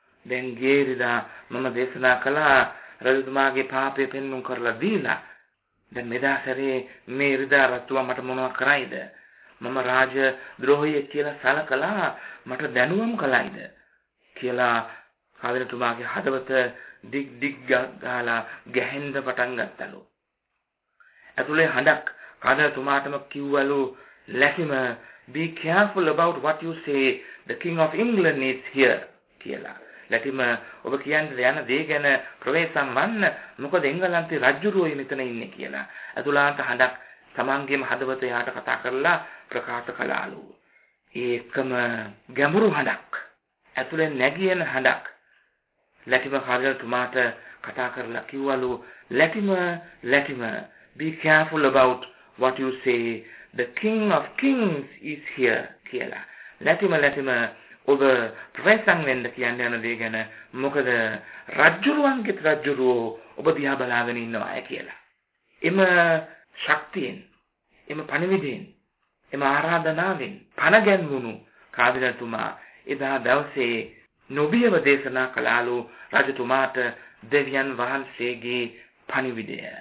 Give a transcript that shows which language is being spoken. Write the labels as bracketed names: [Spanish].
[Sinhala] දැන් ගේරිලා මම දේශනා කළා රජතුමාගේ පාපය පෙන්නුම් කරලා දීලා, දැන් මෙදා සැරේ මේ ඉරිදා රජතුමා මට මොනව කරයිද? මම රාජ ද්‍රෝහියෙක් කියලා සලකලා මට දැනුවම් කළයිද කියලා කාදිනතුමාගේ හදවත ඩික් ඩික් ගහලා ගැහෙන්න පටන් ගත්තලු. ඇතුලේ හඬක් කාදිනතුමාටම කිව්වලු, [English] "ලැකිම, be careful about what you say. The king of England is here," [Sinhala] කියලා. ලැටිම, ඔබ කියන්නේ යන දේ ගැන ප්‍රවේසම් වන්න, මොකද එංගලන්තේ රජුරෝයි මෙතන ඉන්නේ කියලා. අතුලාන්ත හඬක් තමන්ගේම හදවත යාට කතා කරලා ප්‍රකාශ කළාලු. ඒ එකම ගැඹුරු හඬක්, ඇතුලෙන් නැගියන හඬක් ලැටිම කාර්යතුමාට කතා කරලා කිව්වලු, ලැටිම, [English] be careful about what you say. The king of kings is here," [Sinhala] කියලා. ලැටිම, ඔබ ප්‍රවේසම් වෙන්න කියන්නේ යන දේ ගැන, මොකද රජුරුවන්ගේ රජුරෝ ඔබ දිහා බලාගෙන ඉන්නවා අය කියලා. එම ශක්තියෙන්, එම පණිවිඩයෙන්, එම ආරාධනාවෙන් පණ ගැන්වුණු කාදිනතුමා එදා දවසේ නොබියව දේශනා කළාලු රජතුමාට දෙවියන් වහන්සේගේ පණිවිඩය.